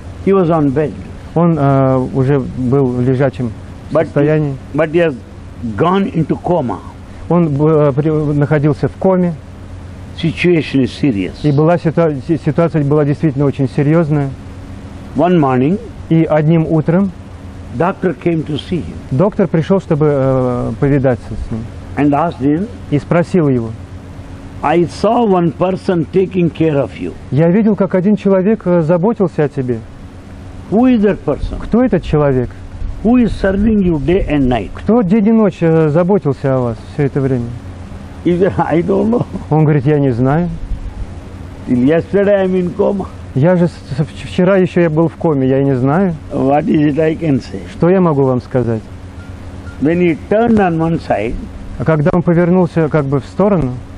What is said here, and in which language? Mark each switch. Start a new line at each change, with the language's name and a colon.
English: He was on bed.
Russian: Он уже был лежачим.
English: But he has gone into coma.
Russian: Он находился в коме.
English: Situation is serious.
Russian: И была ситуация была действительно очень серьезная.
English: One morning.
Russian: И одним утром.
English: Doctor came to see him.
Russian: Доктор пришел, чтобы повидаться с ним.
English: And asked him.
Russian: И спросил его.
English: I saw one person taking care of you.
Russian: Я видел, как один человек заботился о тебе.
English: Who is that person?
Russian: Кто этот человек?
English: Who is serving you day and night?
Russian: Кто день и ночь заботился о вас все это время?
English: He said, I don't know.
Russian: Он говорит, я не знаю.
English: Till yesterday I'm in coma.
Russian: Я же вчера еще я был в коме, я и не знаю.
English: What is it I can say?
Russian: Что я могу вам сказать?
English: When he turned on one side.
Russian: А когда он повернулся как бы в сторону.